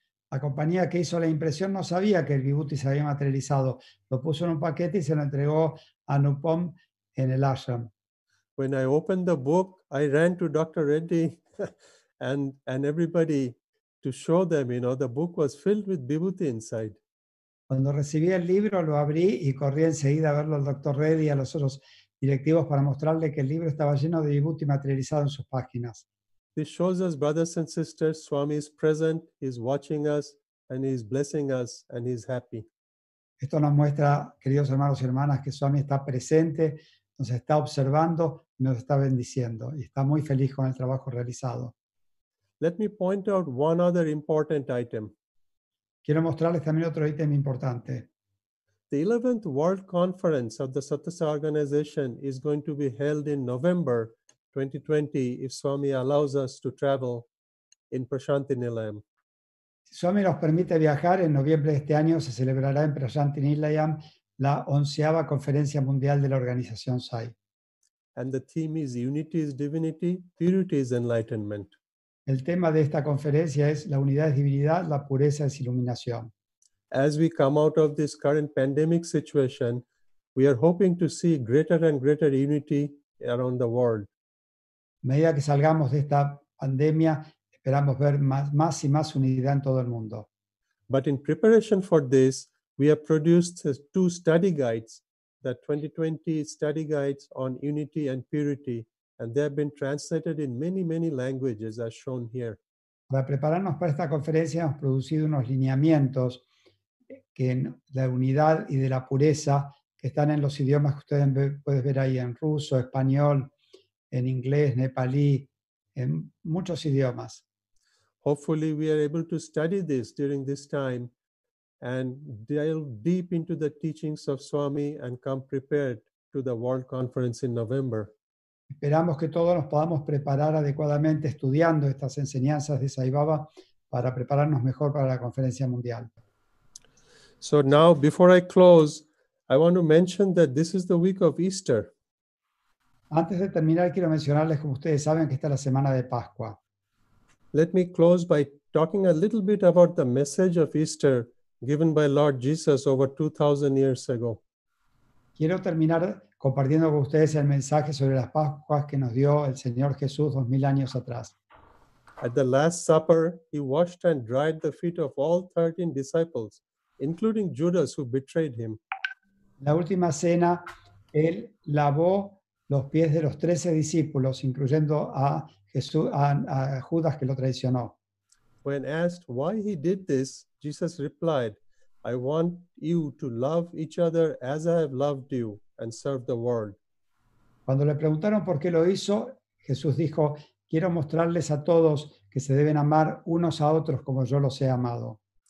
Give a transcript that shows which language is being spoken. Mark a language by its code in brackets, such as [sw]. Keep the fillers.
[es] La compañía que hizo la impresión no sabía que el Vibhuti se había materializado. Lo puso en un paquete y se lo entregó a Nupom en el ashram. [en] When I opened the book, I ran to Dr. Reddy and, and everybody to show them, you know, the book was filled with Vibhuti inside. [es] Cuando recibí el libro lo abrí y corrí enseguida a verlo al doctor Reddy y a los otros directivos para mostrarle que el libro estaba lleno de Vibhuti materializado en sus páginas. [en] This shows us, brothers and sisters, Swami is present, he's watching us, and he's blessing us, and he's happy. [es] Esto nos muestra, queridos hermanos y hermanas, que Swami está presente, nos está observando, nos está bendiciendo y está muy feliz con el trabajo realizado. [en] Let me point out one other important item. [es] Quiero mostrarles también otro ítem importante. [en] The 11th World Conference of the Sattasa Organization is going to be held in November 2020 if Swami allows us to travel in Prashanti Nilayam. [es] Si Swami nos permite viajar, en noviembre de este año se celebrará en Prashanthi Nilayam la onceava conferencia mundial de la organización SAI. [en] And the theme is Unity is Divinity, Purity is Enlightenment. [es] El tema de esta conferencia es la unidad es divinidad, la pureza es iluminación. [en] As we come out of this current pandemic situation, we are hoping to see greater and greater unity around the world. [es] A medida que salgamos de esta pandemia, esperamos ver más, más y más unidad en todo el mundo. [en] But in preparation for this, we have produced uh, two study guides, the 2020 study guides on unity and purity, and they have been translated in many, many languages as shown here. [es] Para prepararnos para esta conferencia hemos producido unos lineamientos eh, que en la unidad y de la pureza que están en los idiomas que ustedes ve- pueden ver ahí en ruso, español, en inglés, nepalí, en muchos idiomas. [en] Hopefully, we are able to study this during this time and delve deep into the teachings of Swami and come prepared to the World Conference in November. [es] Esperamos que todos nos podamos preparar adecuadamente estudiando estas enseñanzas de Sai Baba para prepararnos mejor para la conferencia mundial. [en] So, now before I close, I want to mention that this is the week of Easter. [es] Antes de terminar, quiero mencionarles, como ustedes saben, que esta es la semana de Pascua. [en] Let me close by talking a little bit about the message of Easter given by Lord Jesus over 2000 years ago. [es] Quiero terminar compartiendo con ustedes el mensaje sobre las Pascuas que nos dio el Señor Jesús dos mil años atrás. [en] At the Last Supper, he washed and dried the feet of all 13 disciples, including Judas, who betrayed him. [es] En la última cena, Él lavó los pies de los trece discípulos, incluyendo a, Jesús, a, a Judas que lo traicionó. [en] When asked why he did this, Jesus replied, I want you to love each other as I have loved you and serve the world. [es] Cuando le preguntaron por qué lo hizo, Jesús dijo, quiero mostrarles a todos que se deben amar unos a otros como yo los he amado.